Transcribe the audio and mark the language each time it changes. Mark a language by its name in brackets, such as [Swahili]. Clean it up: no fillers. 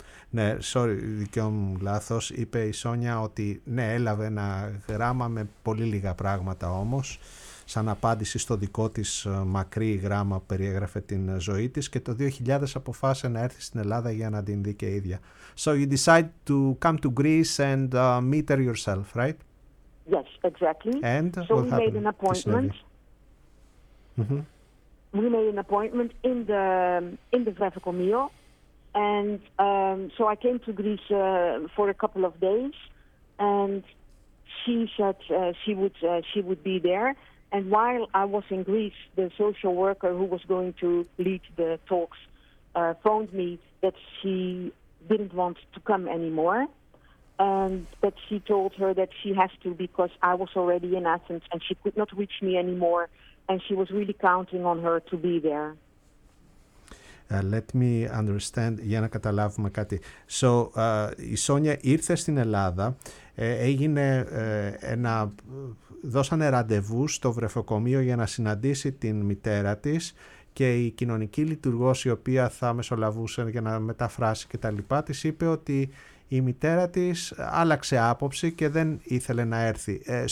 [Greek] Ναι, sorry, δικαίω μου λάθος. Είπε η Σόνια ότι ναι, έλαβε ένα γράμμα με πολύ λίγα πράγματα όμως. σαν απάντηση στο δικό της μακρύ γράμμα περιέγραφε την ζωή της και το 2000 αποφάσισε να έρθει στην Ελλάδα για να την δει και ίδια. [English] So you decide to come to Greece and meet her yourself, right? Yes, exactly. And so we made an appointment. Mm-hmm. We made an appointment in the Grafikomio, and so I came to Greece for a couple of days, and she said she would be there. And while I was in Greece, the social worker who was going to lead the talks phoned me that she didn't want to come anymore. And that she told her that she has to because I was already in Athens and she could not reach me anymore. And she was really counting on her to be there. Let me understand, [Greek] για να καταλάβουμε κάτι. So, η Σόνια ήρθε στην Ελλάδα, έγινε ένα... δώσανε ραντεβού στο βρεφοκομείο για να συναντήσει την μητέρα της και η κοινωνική λειτουργός η οποία θα μεσολαβούσε για να μεταφράσει και τα λοιπά, της είπε ότι η μητέρα της άλλαξε άποψη και δεν ήθελε να έρθει.